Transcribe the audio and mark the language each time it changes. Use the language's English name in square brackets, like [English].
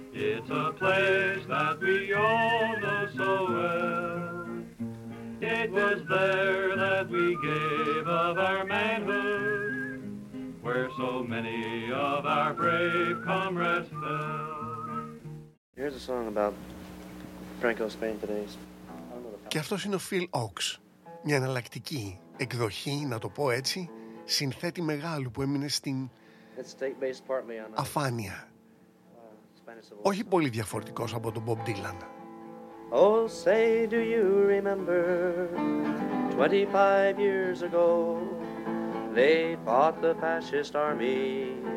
[English] It's a place that we all know so well. It was there that we gave of our manhood, where so many of our brave comrades fell. Here's a song about Franco Spain today. [Greek] Και αυτός είναι ο Phil Oaks. Μια εναλλακτική εκδοχή, να το πω έτσι, συνθέτη μεγάλου που έμεινε στην αφάνεια. Όχι πολύ διαφορετικός από τον Bob Dylan. [English] Oh, say do you remember 25 years ago they fought the fascist army.